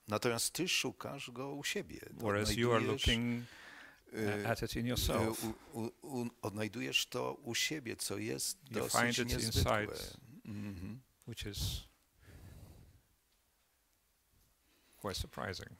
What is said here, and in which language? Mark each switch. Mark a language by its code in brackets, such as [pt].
[pl] Natomiast ty szukasz go u siebie. [en] Whereas you are looking at it in yourself. [pl] Odnajdujesz to u siebie, co jest dosyć niezwykłe. [en] You find it inside, which is quite surprising.